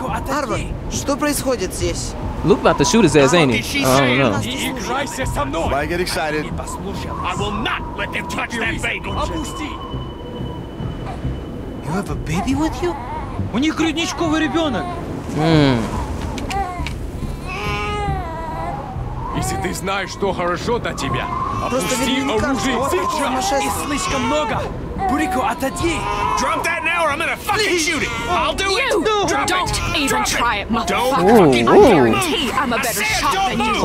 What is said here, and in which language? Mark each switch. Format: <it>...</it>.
<ru>Арва, что происходит здесь?</ru> <en>Luke about to shoot his ass, ain't he? Oh, I don't know. Why get excited? I will not let them touch that baby! You have a baby with you?</en> <ru>У них грудничковый ребенок! Если ты знаешь, что хорошо для тебя, опусти оружие сейчас! И слишком много! Бурико, отойди!</ru> <en>Drop that now or I'm gonna fucking shoot it! I'll do you it! You! No. Don't even try it, motherfucker! Ooh, I guarantee I'm a better shot than you!</en>